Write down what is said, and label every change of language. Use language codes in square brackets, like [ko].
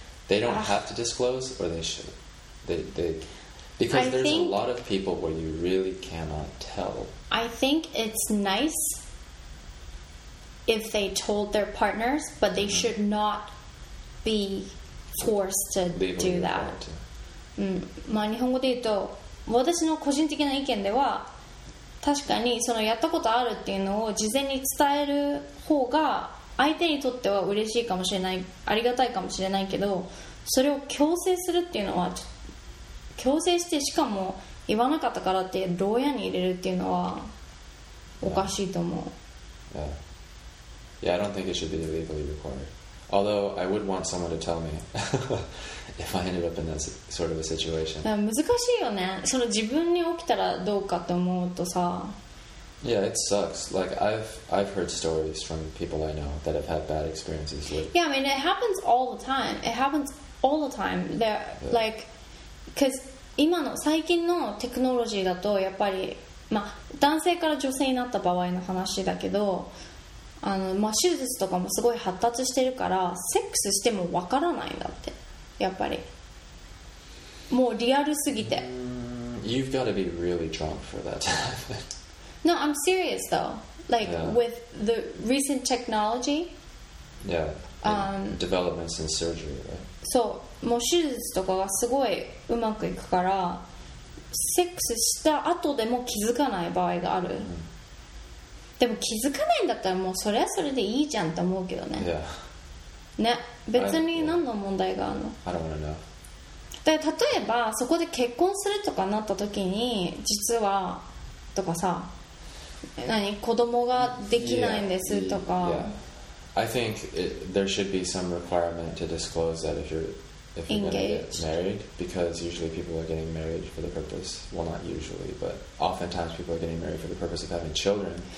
[en] They don't have to disclose, or they should? They, because there's a lot of people where you really cannot tell. I think it's nice if they told their partners, but they should not be forced to do that. [ja] まあ、日本語で言うと、私の個人的な意見では、確かにそのやったことあるっていうのを事前に伝える方が、相手にとっては嬉しいかもしれない、ありがたいかもしれないけど、それを強制するっていうのは、強制してしかも言わなかったからって牢屋に入れるっていうのはおかしいと思う。 [en] Yeah. Yeah, I don't think it should be legally required. Although I would want someone to tell me if I ended up in that sort of a situation. [ja] 難しいよね。その自分に起きたらどうかって思うとさ。 [en] Yeah, it sucks. Like, I've heard stories from people I know that have had bad experiences with... Yeah, I mean, it happens all the time. It happens all the time. They're, yeah. Like, because [ja] 今の最近のテクノロジーだとやっぱり、まあ、男性から女性になった場合の話だけど、あの、まあ、手術とかもすごい発達してるから、セックスしてもわからないんだって。やっぱり。もうリアルすぎて。 [en] You've got to be really drunk for that to happen. No, I'm serious though. Like, yeah. With the recent technology. Yeah. Developments in surgery, right? [ja] So, もう手術とかがすごいうまくいくから、セックスした後でも気づかない場合がある。でも気づかないんだったらもうそれはそれでいいじゃんって思うけどね。 [en] Yeah. [ja] ね、別に何の問題があるの? [en] I don't want to know. [ja] で、例えばそこで結婚するとかなった時に、実は、とかさ、何子供ができないんですとか。 [en] Yeah. I think there should be some requirement to disclose that if you're going to get married, because usually people are getting married for the purpose. Well, not usually, but oftentimes people are getting married for the purpose of having children.